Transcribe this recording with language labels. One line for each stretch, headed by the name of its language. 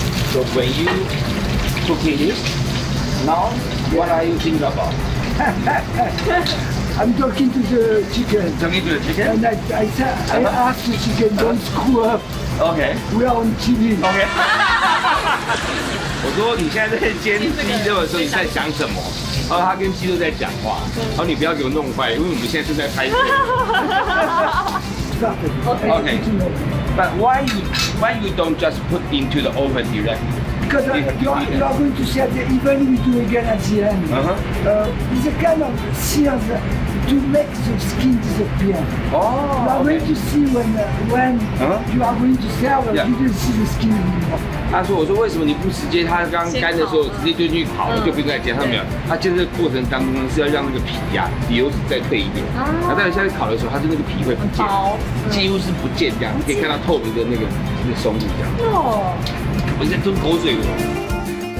English: So when you cooking this, now what are you thinking about? I'm talking to the chicken. Talking to the chicken? And I asked the chicken, don't screw up. Okay. We are on TV. Okay.
Chinese: 我说你现在在煎鸡肉的时候，你在想什么？然后他跟鸡肉在讲话。然后你不要给我弄坏，因为我们现在正在拍片。
English: Okay. But why you don't just put into the oven directly? Because you are going to see at the event we do again at the end. It's a kind of science to make the skin disappear. Oh, you are going to see when you are going to serve, you don't see the skin anymore.
Chinese: 他说：“我说为什么你不直接？他刚干的时候直接丢进去烤，就不用再煎。他没有，他煎这个过程当中是要让那个皮呀、啊、油脂再褪一点。那当然下去烤的时候，它的那个皮会不见，几乎是不见这样。你可以看到透明的那个松露这样。哦，我现在吞口水了。”